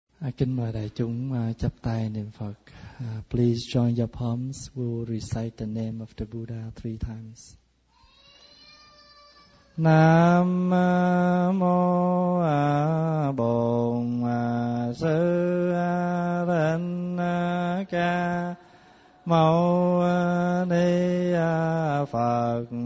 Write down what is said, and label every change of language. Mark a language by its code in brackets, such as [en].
[vi] I kính mời đại chúng chắp tay niệm Phật. [en] Please join your palms. We'll recite the name of the Buddha three times. [vi] Nam mô A Bổn Sư Thích Ca Mâu Ni Phật.